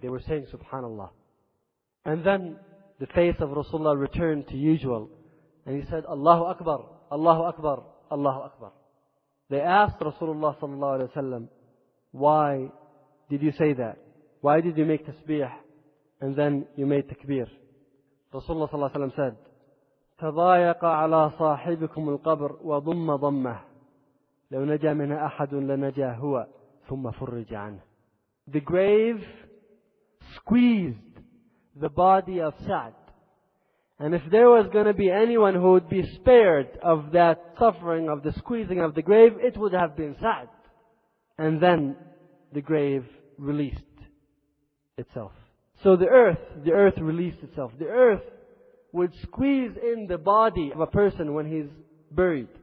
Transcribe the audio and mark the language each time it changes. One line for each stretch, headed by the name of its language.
English: They were saying Subhanallah. And then the face of Rasulullah returned to usual. And he said, Allahu Akbar, Allahu Akbar, Allahu Akbar. They asked Rasulullah sallallahu alayhi wa sallam, why did you say that? Why did you make tasbih? And then you made takbir. Rasulullah sallallahu alayhi wa sallam said,
Arabic: تَضَايَقَ عَلَىٰ صَاحِبِكُمُ الْقَبْرِ وَضُمَّ ضَمَّهِ لَوْ نَجَى مِنَا أَحَدٌ لَنَجَى هُوَ ثُمَّ فُرِّجَ عَنْهِ.
English: The grave squeezed the body of Sa'd. And if there was going to be anyone who would be spared of that suffering, of the squeezing of the grave, it would have been Sa'd. And then the grave released itself. So the earth released itself. The earth would squeeze in the body of a person when he's buried.